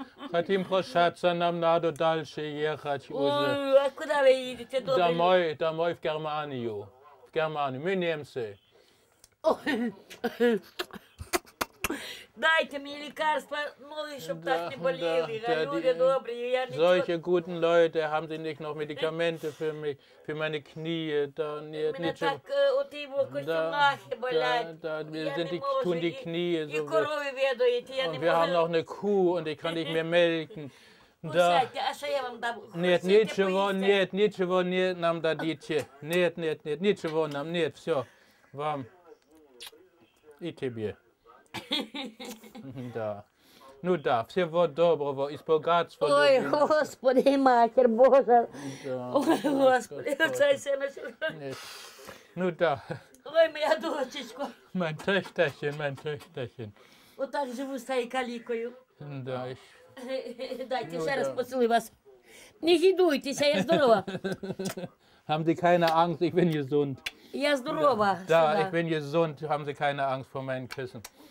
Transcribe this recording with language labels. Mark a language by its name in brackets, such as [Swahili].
[Russian] Хотим прощаться, нам надо дальше ехать уже. Ой, а куда вы едете? Домой, домой в Германию. В Германию, мы немцы. Дайте мне лекарства, ноги, чтобы да, так не болели. Да, да, люди да, добрые, я ничего... [German] Solche guten Leute, haben Sie nicht noch Medikamente für mich, für meine Knie? [Russian] Да, нет, ничего. Так, вот и его костюмахи болят. Да, да, да, [German] sind die, tun die Knie. [Russian] И коровы ведаете, я не могу. [German] Wir haben noch eine Kuh und ich kann nicht mehr melken. [Russian] Да. Нет, ничего, нет, ничего нет, нам дадите. Нет, нет, нет, ничего нам, нет, все. Вам и тебе. Да. Ну да, всего доброго, из богатства. Ой, Господи, Матерь Божия. Да. Ой, Господи, отец и сын. Ну да. Ой, моя дочечка. Моя [German] Töchterchen, [Russian] моя Töchterchen. Вот так живу с твоей каликою. Да. Дайте еще раз поцелуй вас. Не гидуйтесь, я здорова. [German] Haben Sie keine Angst, ich bin gesund. [Russian] Я здорова. [German] Да, ich bin gesund, haben Sie keine Angst vor meinen Küssen.